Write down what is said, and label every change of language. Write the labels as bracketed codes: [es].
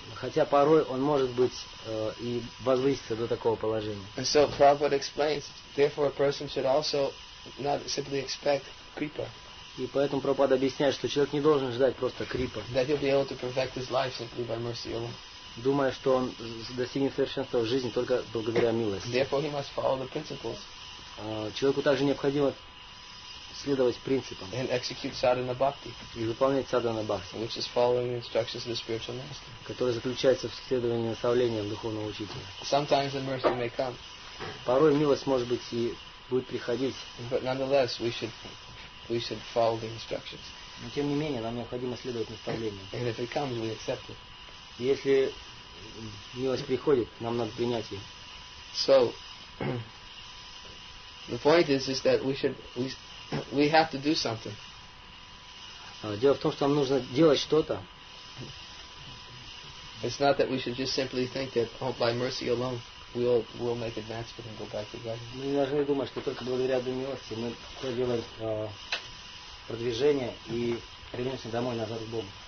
[ru] Хотя порой он может быть и возвыситься до такого положения. [en] And so Prabhupada explains, therefore a person should also not simply expect kripa. [ru] И поэтому Прабхупада объясняет, что человек не должен ждать просто kripa. [en] That he'll be able to perfect his life simply by mercy alone. [ru] Думая, что он достигнет совершенства в жизни только благодаря милости. [en] Therefore he must follow the principles. [ru] Человеку также необходимо следовать принципам [en] and execute sadhana bhakti, [ru] и выполнять sadhana bhakti, [en] which is following the instructions of the spiritual master, [ru] которое заключается в следовании наставлениям духовного учителя. [en] Sometimes the mercy may come. [ru] Порой милость может быть и будет приходить. [en] But nonetheless, we should follow the instructions. [ru] Но тем не менее, нам необходимо следовать наставлениям. [en] And if it comes, we accept it. [ru] Если милость приходит, нам надо принять ее. [en] So the point is that we have to do something. [ru] Дело в том, что нам нужно делать что-то. [en] It's not that we should just simply think that by mercy alone we'll make advancement and go back to God. [ru] Мы должны думать, что только благодаря милости мы проделаем продвижение и вернемся домой назад к Богу.